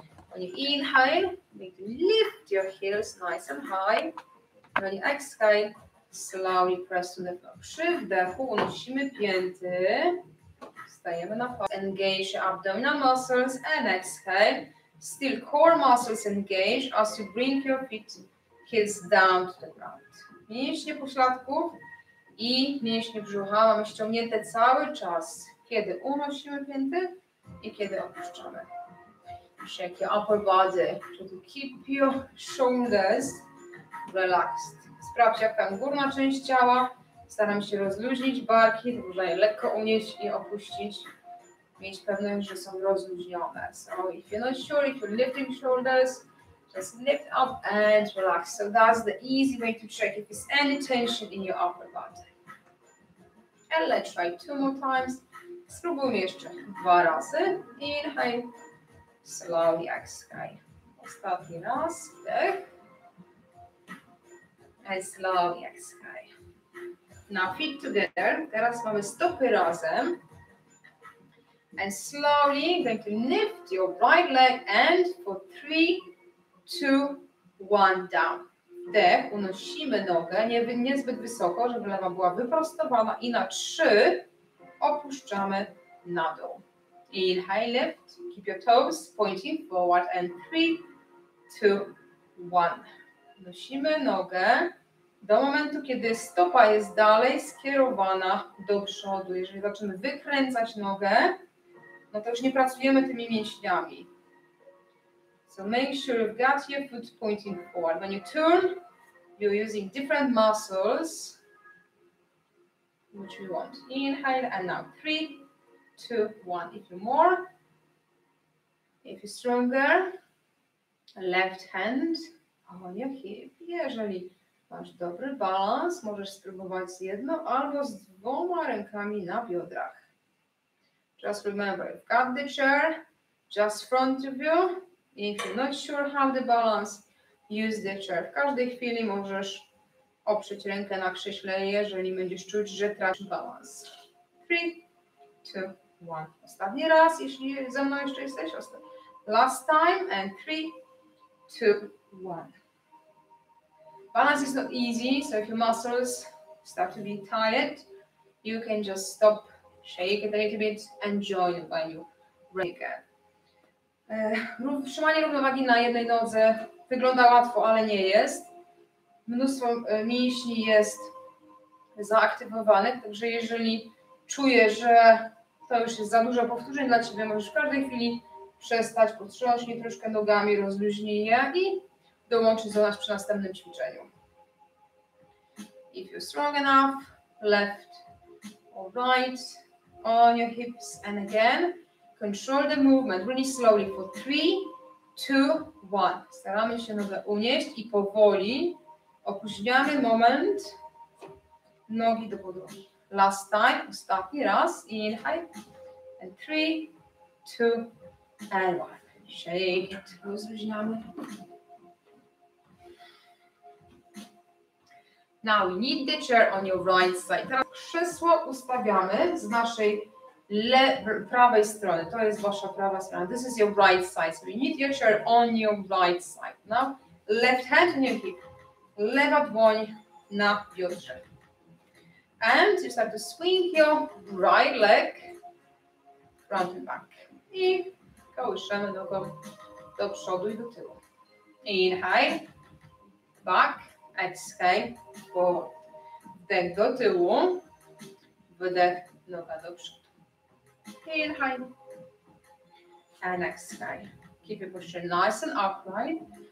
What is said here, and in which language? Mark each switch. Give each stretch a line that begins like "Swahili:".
English: When you inhale, make lift your heels nice and high. When you exhale, slowly press to the floor.
Polish: Przy wdechu unosimy pięty. Stajemy na palce.
English: Engage your abdominal muscles and exhale. Still core muscles engage as you bring your feet, heels down to the ground.
Polish: Mięśnie pośladków i mięśnie brzucha mamy ściągnięte cały czas, kiedy unosimy pięty i kiedy opuszczamy.
English: Shake your upper body, try to keep your shoulders relaxed.
Polish: Sprawdź, jak tam górna część ciała. Staram się rozluźnić barki, można je lekko unieść i opuścić. Mieć pewność, że są rozluźnione.
English: So if you're not sure, if you're lifting shoulders, just lift up and relax. So that's the easy way to check if there's any tension in your upper body. And let's try two more times.
Polish: Spróbujmy jeszcze dwa razy.
English: Inhale, slowly exhale.
Polish: Ostatni raz, wdech.
English: And slowly exhale. Now feet together,
Polish: teraz mamy stopy razem.
English: And slowly going to lift your right leg and for 3, 2, 1 down.
Polish: Wdech, unosimy nogę, niezbyt wysoko, żeby lewa była wyprostowana i na 3 opuszczamy noddle.
English: Inhale, lift, keep your toes pointing forward, and 3, 2, 1.
Polish: Nosimy nogę do momentu, kiedy stopa jest dalej skierowana do przodu. Jeżeli zaczynamy wykręcać nogę, no to już nie pracujemy tymi mięśniami.
English: So make sure you've got your foot pointing forward. When you turn, you're using different muscles, which we want. Inhale, and now 3, 2, 1. If you're more, if you're stronger, left hand on your hip.
Polish: Jeżeli masz dobry balans, możesz spróbować z jedną albo z dwoma rękami na biodrach.
English: Just remember, you've got the chair just front of you. If you're not sure how to balance, use the chair.
Polish: W każdej chwili możesz oprzeć rękę na krześle, jeżeli będziesz czuć, że tracisz balans. 3, 2, 1. Ostatni raz, jeśli ze mną jeszcze jesteś. Ostatni.
English: Last time, and 3, 2, 1. Balance is not easy, so if your muscles start to be tired, you can just stop, shake it a little bit, and join when you breathe.
Polish: Trzymanie równowagi na jednej nodze wygląda łatwo, ale nie jest. Mnóstwo mięśni jest zaaktywowanych, także jeżeli czujesz, że to już jest za dużo powtórzeń dla ciebie, możesz w każdej chwili przestać, potrząśnij troszkę nogami, rozluźnij je i dołączyć do nas przy następnym ćwiczeniu.
English: If you're strong enough, left or right, on your hips, and again, control the movement really slowly for 3, 2, 1.
Polish: Staramy się nogę unieść i powoli opóźniamy moment nogi do podłogi.
English: Last time,
Polish: ostatni raz,
English: inhale, and 3, 2, and 1. Shake it,
Polish: rozluźniamy.
English: Now we need the chair on your right side.
Polish: Teraz krzesło ustawiamy z naszej prawej strony. To jest wasza prawa strona.
English: This is your right side. So we need your chair on your right side. Now left hand on your hip.
Polish: Lewa dłoń na biodrze.
English: And you start to swing your right leg front and back.
Polish: I kołyszemy nogą do przodu i do tyłu.
English: Inhale, back. Exhale, forward.
Polish: Wdech do tyłu, wdech, noga do przodu.
English: Inhale, and exhale. Keep your posture nice and upright.